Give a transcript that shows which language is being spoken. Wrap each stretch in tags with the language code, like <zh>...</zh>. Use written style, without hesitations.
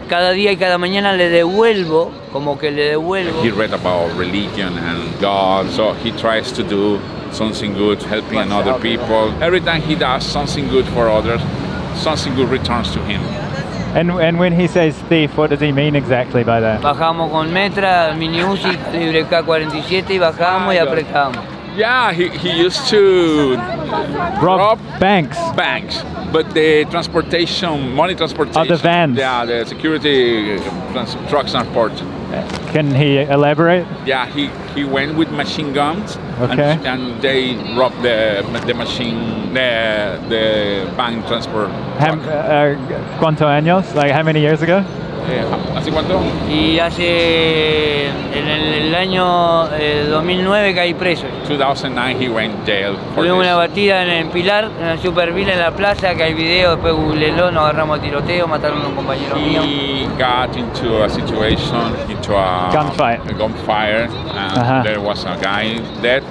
<es>Cada día y cada mañana le devuelvo, como que le devuelvo.</es> <en>He read about religion and God, so he tries to do something good, helping other people. Every time he does something good for others, something good returns to him. And when he says thief, what does he mean exactly by that?</en> <es>Bajamos con metra, mini Uzi, libre K-47, y bajamos y apretamos.</es> <en>Yeah, he used to rob banks, but the transportation, money transportation. Oh, the vans. Yeah, the security truck transport. Can he elaborate? Yeah, he went with machine guns. Okay. And they robbed the machine, the bank transport truck.</en> <es>¿Cuántos años?</es> <en>Like how many years ago?</en> <es>¿Hace cuánto? Y hace en el año 2009 caí preso.</es> <en>2009 he went jail.</en> <es>Tuve una batida en el Pilar, en la Supervilla, en la plaza, que hay video, después googleó, nos agarramos a tiroteo, mataron a un compañero mío.</es> <en>He got into a situation, into a gunfire. A gunfire, and there was a guy dead.</en>